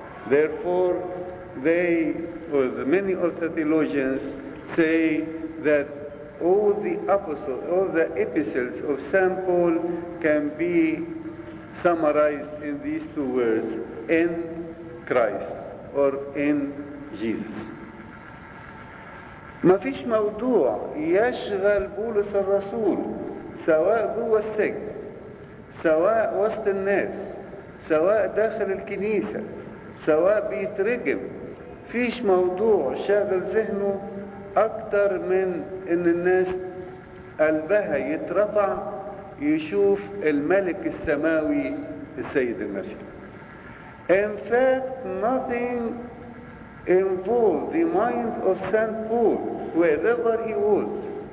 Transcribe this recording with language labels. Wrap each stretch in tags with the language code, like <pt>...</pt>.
<en>Therefore, many of the theologians say that all the apostles, all the epistles of Saint Paul can be summarized in these 2 words: in Christ or in Jesus.</en> <ar>ما فيش موضوع يشغل بولس الرسول سواء جوه السجن سواء وسط الناس سواء داخل الكنيسة سواء بيترجم، فيش موضوع شاغل ذهنه أكتر من إن الناس قلبها يترفع يشوف الملك السماوي السيد المسيح.</ar> <en>In fact, nothing involved the mind of Saint Paul wherever he was.</en>